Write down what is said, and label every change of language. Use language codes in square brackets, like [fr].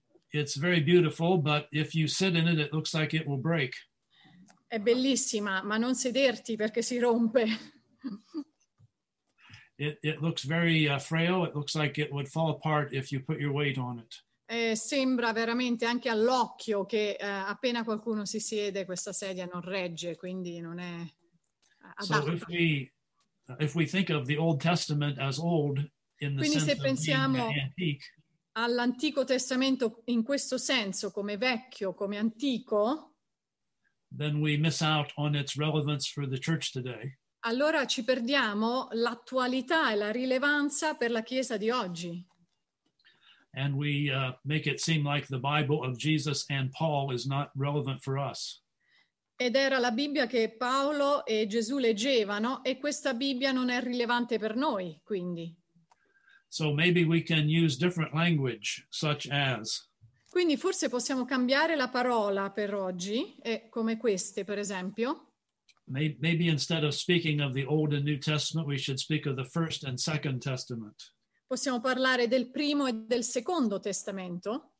[en] It's very beautiful, but if you sit in it, it looks like it will break. [it] È bellissima, ma non sederti perché si rompe. [en] It looks very frail. It looks like it would fall apart if you put your weight on it. [it] Sembra veramente anche all'occhio che appena qualcuno si siede, questa sedia non regge, quindi non è adatta. [en] So if we think of the Old Testament as old in the [it] quindi [en] sense [it] se pensiamo [en] of being antique, [it] all'Antico Testamento in questo senso, come vecchio, come antico, [en] then we miss out on its relevance for the church today. [it] Allora ci perdiamo l'attualità e la rilevanza per la Chiesa di oggi. [en] And we make it seem like the Bible of Jesus and Paul is not relevant for us. [it] Ed era la Bibbia che Paolo e Gesù leggevano, e questa Bibbia non è rilevante per noi, quindi. [en] So maybe we can use different language, such as. [it] Quindi forse possiamo cambiare la parola per oggi, come queste, per esempio. [en] Maybe instead of speaking of the Old and New Testament, we should speak of the First and Second Testament. [it] Possiamo parlare del Primo e del Secondo Testamento.